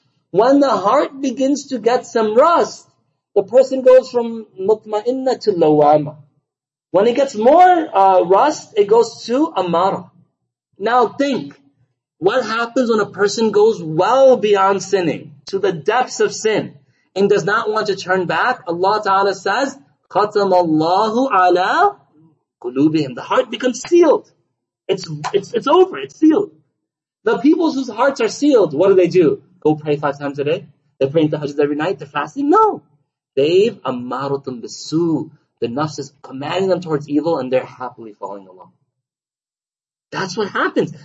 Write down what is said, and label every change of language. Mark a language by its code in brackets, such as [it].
[en] When the heart begins to get some rust, the person goes from mutma'inna to lawama. When it gets more rust, it goes to amara. Now think, what happens when a person goes well beyond sinning, to the depths of sin, and does not want to turn back? Allah Ta'ala says, [ar] خَتَمَ اللَّهُ عَلَىٰ قُلُوبِهِمْ. [en] The heart becomes sealed. It's over, it's sealed. The people whose hearts are sealed, what do? Go pray 5 times a day? They're praying tahajjud every night? They're fasting? No. They've amaratun bisu. The nafs is commanding them towards evil and they're happily following along. That's what happens.